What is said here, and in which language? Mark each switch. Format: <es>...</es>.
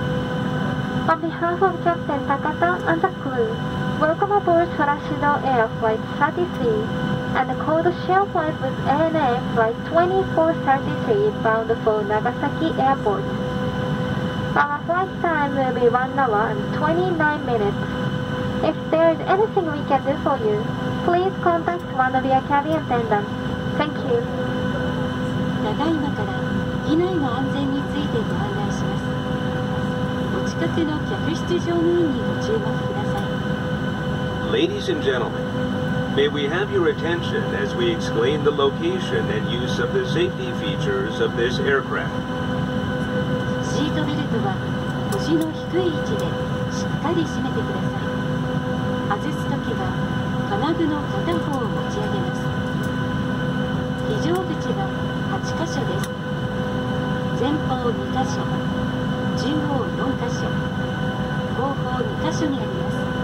<en>On behalf of Captain Takata and the crew, welcome aboard Solaseed Air Flight 33 and Cold Shell Flight with ANA Flight 2433 bound for Nagasaki Airport. Our flight time will be 1 hour and 29 minutes. If there is anything we can do for you, please contact one of your cabin attendants. Thank you.</en> <ja>ただいまから機内の安全についてご案内します。お近くの客室乗務員にご注目ください。</ja> <en>Ladies and gentlemen, may we have your attention as we explain the location and use of the safety features of this aircraft.</en> <ja>シートベルトは腰の低い位置でしっかり締めてください。外すときは金具の片方を持ち上げます。非常口は8箇所です。前方2箇所、中央4箇所、後方2箇所にあります。</ja>